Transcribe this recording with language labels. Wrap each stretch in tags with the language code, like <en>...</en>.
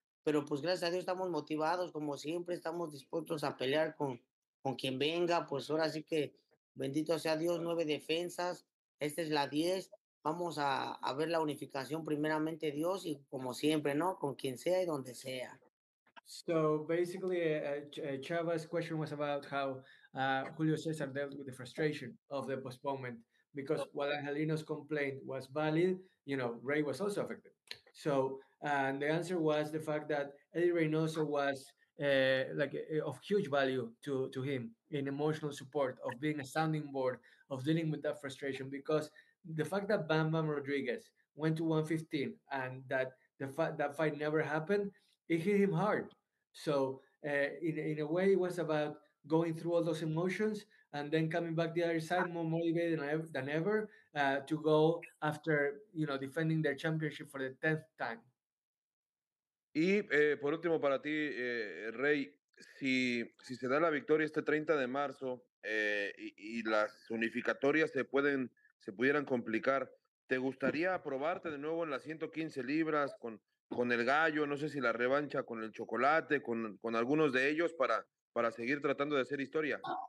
<es>Pero pues gracias a Dios estamos motivados, como siempre, estamos dispuestos a pelear con quien venga. Pues ahora sí que, bendito sea Dios, 9 defensas, esta es la 10. Vamos a ver la unificación primeramente Dios y como siempre, ¿no? Con quien sea y donde sea.</es> <en>So basically, Chava's question was about how Julio César dealt with the frustration of the postponement, because while Angelino's complaint was valid, you know, Ray was also affected. So and the answer was the fact that Eddie Reynoso was of huge value to him in emotional support, of being a sounding board, of dealing with that frustration, because the fact that Bam Bam Rodriguez went to 115 and that that fight never happened, it hit him hard. So in a way, it was about going through all those emotions and then coming back the other side more motivated than ever to go after, you know, defending their championship for the 10th time.</en> <es>Y por último para ti, Rey, si se da la victoria este 30 de marzo y las unificatorias se pudieran complicar, ¿te gustaría probarte de nuevo en las 115 libras con el gallo, no sé si la revancha con el chocolate, con algunos de ellos para seguir tratando de hacer historia?</es>